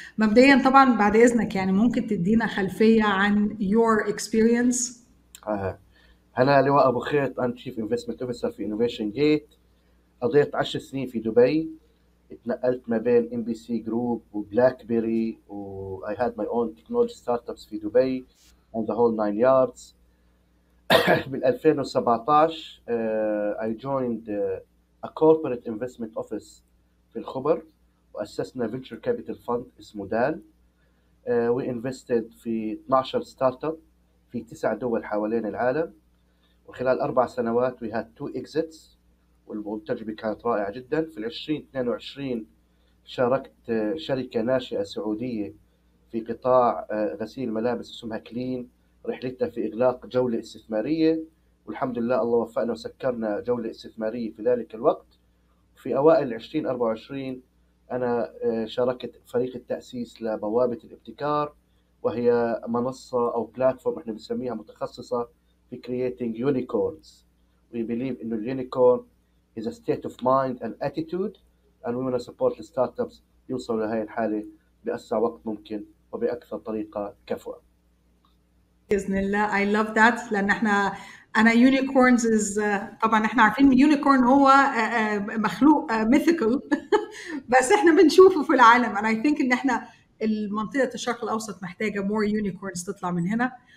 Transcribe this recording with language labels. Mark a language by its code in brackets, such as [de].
[ar] مبدئيا طبعا بعد اذنك، يعني ممكن تدينا خلفيه عن [en] Your experience? [ar] أنا لواء أبو خيط، أنا [en] Chief Investment Officer [ar] في Innovation Gate. قضيت 10 سنين في دبي، اتنقلت ما بين MBC Group و Blackberry، و [en] I had my own technology startups [ar] في دبي، [en] on the whole nine yards. بال 2017 I joined a corporate investment office [ar] في الخبر وأسسنا [en] venture capital fund [ar] اسمه دال. [en] We invested [ar] في 12 startup في 9 دول حوالين العالم وخلال 4 سنوات [en] we had 2 exits [ar] والتجربة كانت رائعة جدا. في 2022 شاركت شركة ناشئة سعودية في قطاع غسيل ملابس اسمها كلين رحلتها في إغلاق جولة استثمارية والحمد لله الله وفقنا وسكرنا جولة استثمارية في ذلك الوقت. في أوائل 2024 أنا شاركت فريق التأسيس لبوابة الابتكار وهي منصة أو بلاتفورم احنا بنسميها متخصصة في [en] creating unicorns. We believe [ar] إنه [en] unicorn is a state of mind and attitude and we want to support the startups [ar] يوصلوا لهذه الحالة بأسرع وقت ممكن وبأكثر طريقة كفؤة. بإذن الله. [en] I love that [ar] لأن احنا أنا [en] unicorns is [ar] طبعا احنا عارفين unicorn هو مخلوق mythical بس احنا بنشوفه في العالم [en] and I think [ar] ان احنا المنطقة الشرق الأوسط محتاجة [en] more unicorns [ar] تطلع من هنا.